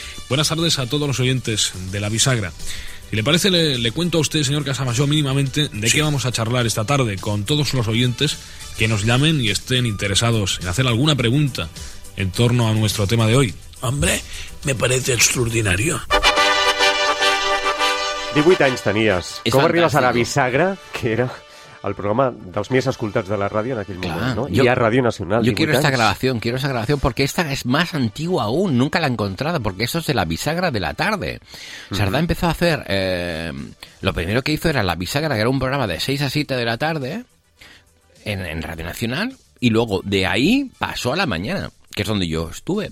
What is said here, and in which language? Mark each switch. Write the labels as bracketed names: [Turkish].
[Spanish] Buenas tardes a todos los oyentes de La Bisagra. Si le parece, le cuento a usted, señor Casamayor, mínimamente de qué vamos a charlar esta tarde con todos los oyentes que nos llamen y estén interesados en hacer alguna pregunta en torno a nuestro tema de hoy. Hombre, me parece extraordinario. [Catalan] 18 anys tenies. Com fantàstic. Arribes a La Bisagra, que era el programa dels més escoltats de la ràdio en aquell moment, no? Jo, i a Ràdio Nacional. [Spanish] Jo quiero esta grabación, quiero esa grabación, porque esta es más antigua aún, nunca la he encontrado, porque esto es de La Bisagra de la tarde. Sardà empezó a hacer... lo primero que hizo era La Bisagra, que era un programa de 6 a 7 de la tarde en Ràdio Nacional, y luego de ahí pasó a la mañana, que es donde yo estuve.